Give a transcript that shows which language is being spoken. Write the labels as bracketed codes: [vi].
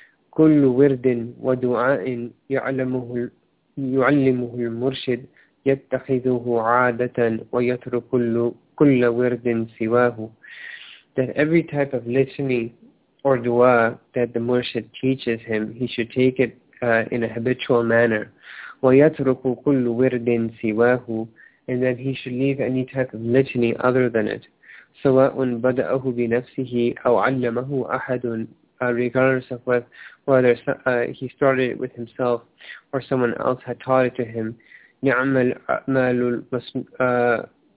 [ar] كل ورد ودعاء يعلمه المرشد يتخذه عادة ويترك كل ورد سواه. [en] That every type of litany or dua that the murshid teaches him, he should take it in a habitual manner. [ar] ويترك كل ورد سواه. [en] And that he should leave any type of litany other than it. [ar] سواء بدأه بنفسه أو علمه أحد. [en] Regardless of whether he started it with himself or someone else had taught it to him, [ar] يعمل أعمال المسنات.